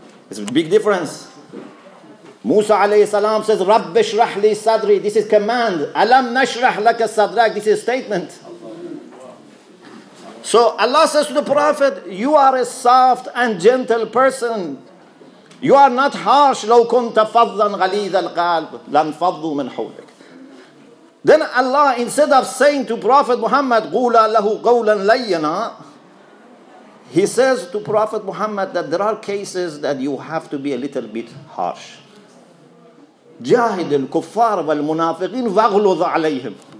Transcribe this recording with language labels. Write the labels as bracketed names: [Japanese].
[English] It's a big difference. Musa alayhi salam says, [Arabic] Rabb shrah li sadri. [English] This is command. [Arabic] Alam nashrah laka sadrak. [English] This is statement. So Allah says to the Prophet, you are a soft and gentle person. You are not harsh. [Arabic] لو كنت فضا غليظ القلب لن فضوا من حولك. [English] Then Allah, instead of saying to Prophet Muhammad, [Arabic] قولا له قولا لينا, [English] He says to Prophet Muhammad that there are cases that you have to be a little bit harsh. [Arabic] جاهد الكفار والمنافقين واغلظ عليهم.